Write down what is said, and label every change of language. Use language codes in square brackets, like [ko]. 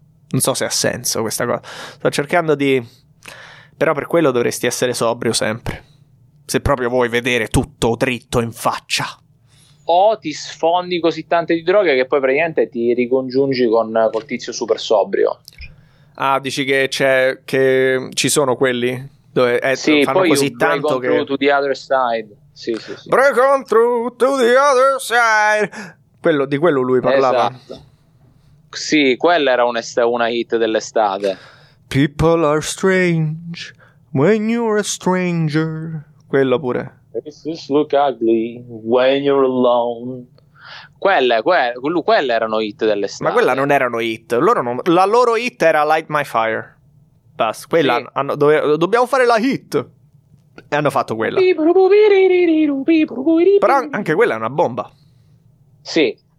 [it] Non so se ha senso questa cosa. Sto cercando di... Però per quello dovresti essere sobrio sempre. Se proprio vuoi vedere tutto dritto in faccia. O ti sfondi così tante di droga che poi praticamente ti ricongiungi con col tizio super sobrio. Ah, dici che c'è che ci sono quelli? Dove, sì, fanno poi così tanto [en] break on through to the other side. [it] Sì, sì, sì. [en] Break on through to the other side. [it] Quello, di quello lui parlava. Esatto. Sì, quella era una hit dell'estate. [en] People are strange when you're a stranger. [it] Quello pure. [en] Faces look ugly when you're alone. [it] Quelle erano hit dell'estate. Ma quella non erano hit. La loro hit era Light My Fire. Basta. Quella sì. Dobbiamo fare la hit. E hanno fatto quella. Però anche quella è una bomba. Sì.